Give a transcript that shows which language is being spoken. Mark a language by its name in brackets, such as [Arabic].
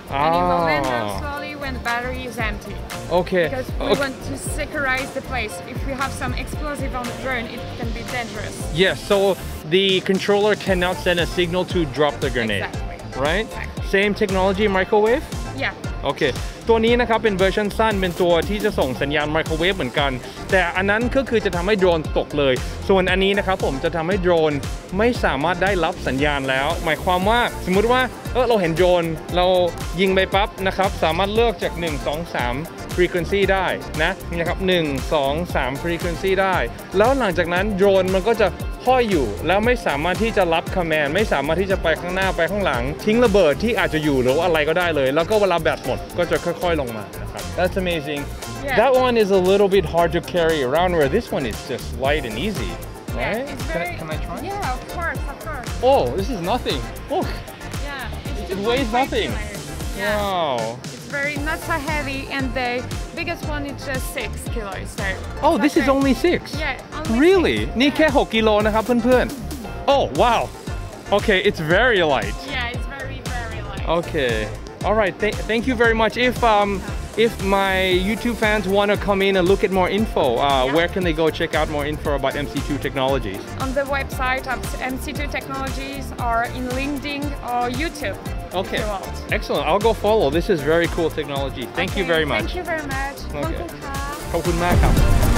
[English] And it will land down slowly when the battery is empty. Okay. Because we want to securize the place. If you have some explosive on the drone, it can be dangerous. Yes, so the controller cannot send a signal to drop the grenade. Exactly. Right? Exactly. Same technology, microwave? Yeah. Okay. [Thai] ตัวนี้นะครับเป็นเวอร์ชันสั้นเป็นตัวที่จะส่งสัญญาณไมโครเวฟเหมือนกันแต่อันนั้นก็คือจะทำให้โดรนตกเลยส่วนอันนี้นะครับผมจะทำให้โดรนไม่สามารถได้รับสัญญาณแล้วหมายความว่าสมมติว่าเราเห็นโดรนเรา ยิงไปปั๊บนะครับสามารถเลือกจาก1 2 3 frequency ได้นะนะครับ1 2 3 frequency ได้แล้วหลังจากนั้นโดรนมันก็จะห้อยอยู่แล้วไม่สามารถที่จะรับคอมแมนด์ไม่สามารถที่จะไปข้างหน้าไปข้างหลังทิ้งระเบิดที่อาจจะอยู่หรืออะไรก็ได้เลยแล้วก็เวลาแบตหมดก็จะค่อยๆลงมานะครับ [English] That's amazing yeah. That one is a little bit hard to carry around where this one is just light and easy right yeah, it's very... can I try yeah of course oh this is nothing look yeah it weighs nothing yeah. wow it's very not so heavy and the biggest one is just 6 kilos so oh this is only 6 yeah only really [Thai] นี่แค่6กิโลนะครับเพื่อนๆ [English] oh wow okay it's very light yeah it's very light okay all right thank you very much if my YouTube fans want to come in and look at more info where can they go check out more info about MC2 Technologies on the website of MC2 Technologies or in LinkedIn or YouTube Okay. Excellent. I'll go follow. This is very cool technology. Thank you very much. Thank you very much. [Thai] Okay. ขอบคุณมากครับ